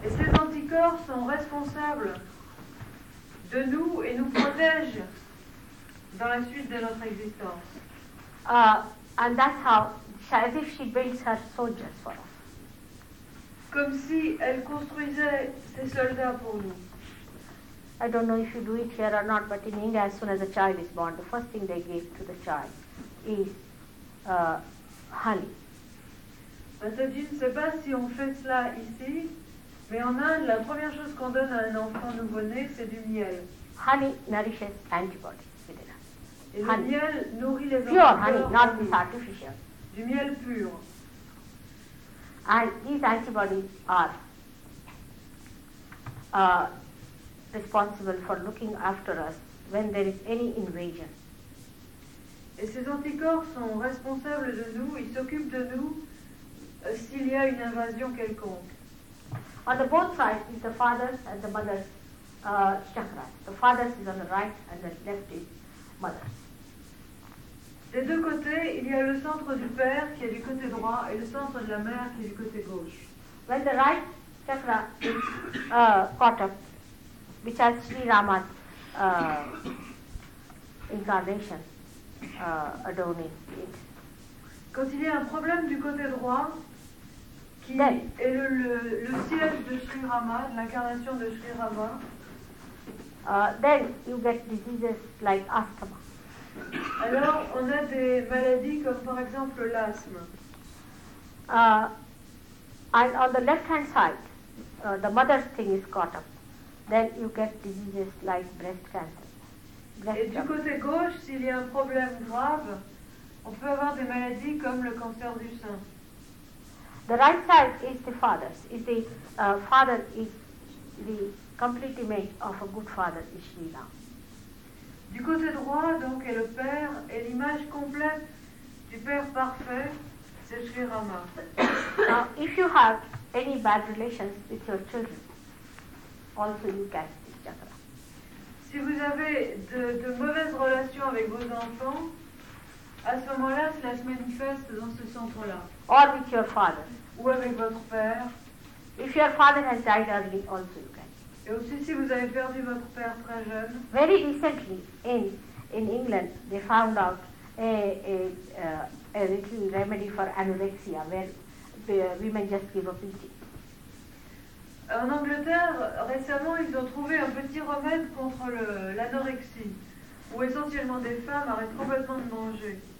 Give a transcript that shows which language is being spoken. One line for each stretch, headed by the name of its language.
French: Et ces anticorps sont responsables de nous et nous protègent dans la suite de notre existence.
English: And that's how, as if she builds her soldiers for us.
French: Comme si elle construisait ses soldats pour nous.
English: I don't know if you do it here or not, but in India, as soon as a child is born, the first thing they give to the child is honey.
French: Je ne sais pas si on fait cela ici, mais en Inde, la première chose qu'on donne à un enfant nouveau-né, c'est du miel.
English: Honey nourishes antibodies.
French: Et
English: honey.
French: Le miel nourrit les
English: pure
French: enfants.
English: Pure honey, not this artificial.
French: Du miel pur.
English: And these antibodies are responsible for looking after us when there is any invasion.
French: Et ces anticorps sont responsables de nous, ils s'occupent de nous s'il y a une invasion quelconque.
English: On the both sides is the father's and the mother's chakra. The father's is on the right and the left is mother's.
French: Des deux côtés, il y a le centre du père qui est du côté droit et le centre de la mère qui est du côté gauche.
English: When the right chakra is caught up, which has Sri Rama's incarnation adorning it.
French: Quand il y a un problème du côté droit, qui
English: then,
French: est le siège de Sri Rama, l'incarnation de Sri Rama,
English: then you get diseases like asthma.
French: Alors, on a des maladies comme par exemple l'asthme.
English: And on the left hand side, the mother's thing is caught up. Then you get diseases like breast cancer.
French: Et du côté gauche, s'il y a un problème grave, on peut avoir des maladies comme le cancer du sein.
English: The right side is the father's. Is the father is the complete image of a good father, is Sri Ram.
French: Du côté droit, donc, est le père, et l'image complète du père parfait, c'est Sri Rama.
English: Now, if you have any bad relations with your children, also you catch this chakra.
French: Si vous avez de mauvaises relations avec vos enfants, à ce moment-là, cela se manifeste dans ce centre-là.
English: Or with your father.
French: Ou avec votre père.
English: If your father has died early, also you can.
French: Et aussi si vous avez perdu votre père très jeune.
English: Very recently, in England, they found out a little remedy for anorexia, where women just give up eating.
French: En Angleterre, récemment, ils ont trouvé un petit remède contre l'anorexie, où essentiellement des femmes arrêtent complètement de manger.